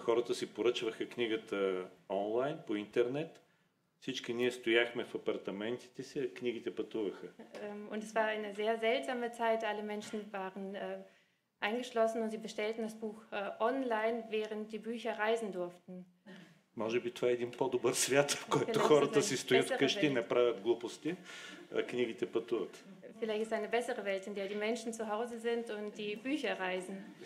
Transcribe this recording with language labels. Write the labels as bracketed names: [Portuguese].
[Bulgarian] Хората си поръчваха книгата онлайн, по интернет. Всички ние стояхме в апартаментите си, а книгите пътуваха. [German] Und es war eine sehr seltsame Zeit. Alle Menschen waren eingeschlossen und sie bestellten das Buch online, während die Bücher reisen durften. [Bulgarian] Може би това е един по-добър свят, в който хората си стоят вкъщи, не правят глупости, а книгите пътуват. [German] Vielleicht ist eine bessere Welt, in der die Menschen zu Hause sind und die Bücher reisen.